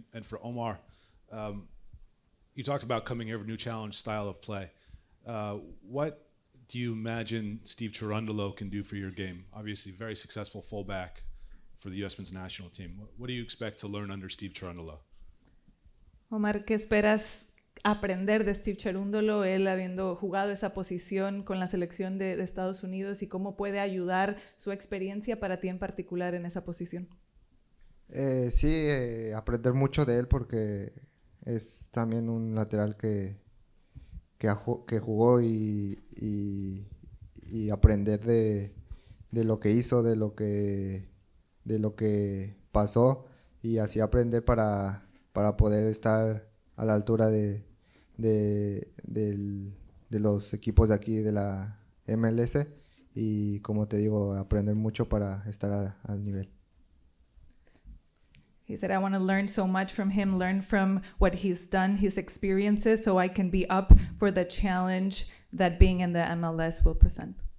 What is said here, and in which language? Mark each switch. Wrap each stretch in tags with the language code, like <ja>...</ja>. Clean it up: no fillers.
<en>And for Omar, you talked about coming here with a new challenge, style of play. What do you imagine Steve Cherundolo can do for your game? Obviously, very successful fullback for the U.S. Men's National Team. What do you expect to learn under Steve Cherundolo?</en> <es>Omar, ¿qué esperas aprender de Steve Cherundolo, él habiendo jugado esa posición con la selección de Estados Unidos, y cómo puede ayudar su experiencia para ti en particular en esa posición? Aprender mucho de él, porque es también un lateral que jugó, y aprender de lo que hizo, de lo que pasó, y así aprender para poder estar a la altura de los equipos de aquí de la MLS, y como te digo, aprender mucho para estar al nivel.</es> <en>He said, I want to learn so much from him, learn from what he's done, his experiences, so I can be up for the challenge that being in the MLS will present.</en>